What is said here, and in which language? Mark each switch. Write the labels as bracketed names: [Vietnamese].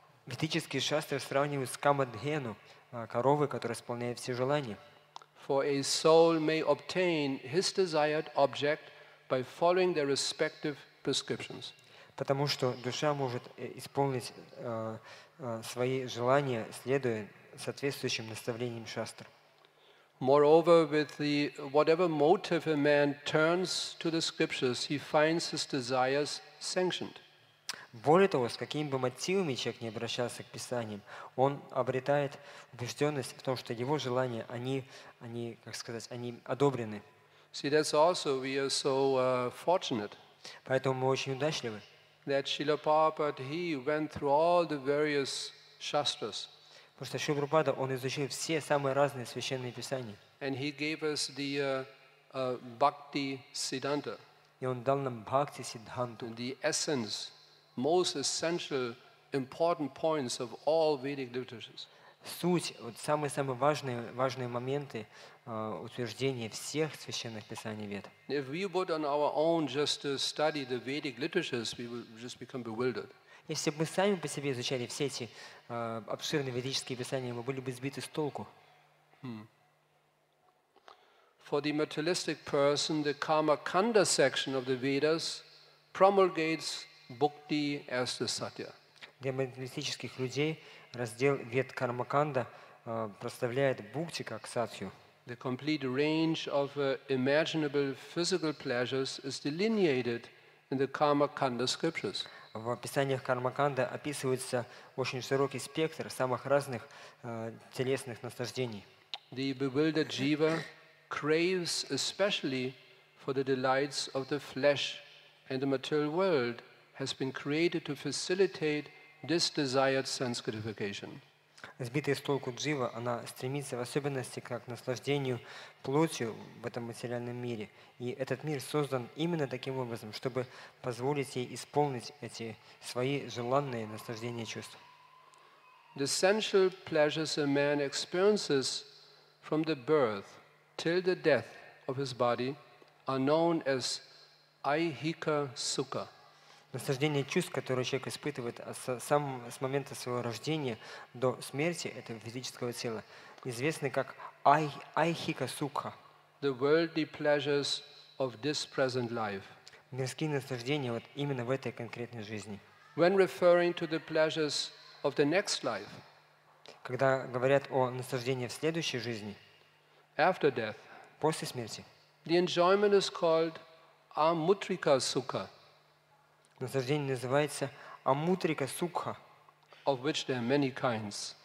[Russian] Ведические шастры сравнивают с кама дхену, коровой, которая исполняет все желания. [English] For a soul may obtain his desired object by following their respective prescriptions. [Russian] Потому что душа может исполнить свои желания, следуя соответствующим наставлениям шастр. [English] Moreover, with the whatever motive a man turns to the scriptures, he finds his desires sanctioned. [Russian] Более того, с какими бы мотивами человек ни обращался к Писаниям, он обретает убежденность в том, что его желания, они, как сказать, они одобрены. [English] See, that's also we are so fortunate. [Russian] Поэтому мы очень удачливы. [English] That Srila Prabhupada, he went through all the various shastras. [Russian] Потому что Шрила Прабхупада, он изучил все самые разные священные писания. [English] And he gave us the bhakti siddhanta. [Russian] И он дал нам бхакти сиддханту. [English] The essence. Most essential, important points of all Vedic literatures. [Russian] Суть, вот самые важные моменты утверждения всех священных писаний Вед. [English] If we would on our own just study the Vedic literatures, we would just become bewildered. [Russian] Если бы мы сами по себе изучали все эти обширные ведические писания, мы были бы сбиты с толку. [English] For the materialistic person, the Karma Kanda section of the Vedas promulgates Bhakti as the satya. [Russian] Для материалистических людей раздел Вед Кармаканда представляет бхакти как сатью. [English] The complete range of imaginable physical pleasures is delineated in the Karma Kanda scriptures. [Russian] В описаниях Кармаканда описывается очень широкий спектр самых разных телесных наслаждений. [English] The bewildered jiva craves especially for the delights of the flesh and the material world. Has been created to facilitate this desired sense gratification. [Russian] Сбитая с толку джива, она стремится в особенности как к наслаждению плотью в этом материальном мире. И этот мир создан именно таким образом, чтобы позволить ей исполнить эти свои желанные наслаждения чувств. [English] The sensual pleasures a man experiences from the birth till the death of his body are known as aihika sukha. [Russian] Наслаждение чувств, которые человек испытывает с момента своего рождения до смерти этого физического тела, известны как айхика сукха. [English] The worldly pleasures of this present life. [Russian] Мирские наслаждения вот именно в этой конкретной жизни. [English] When referring to the pleasures of the next life. [Russian] Когда говорят о наслаждении в следующей жизни. [English] After death. [Russian] После смерти. [English] The enjoyment is called амутрика сукха. [Russian] Наслаждение называется амутрика сукха, [English] of which there are many kinds.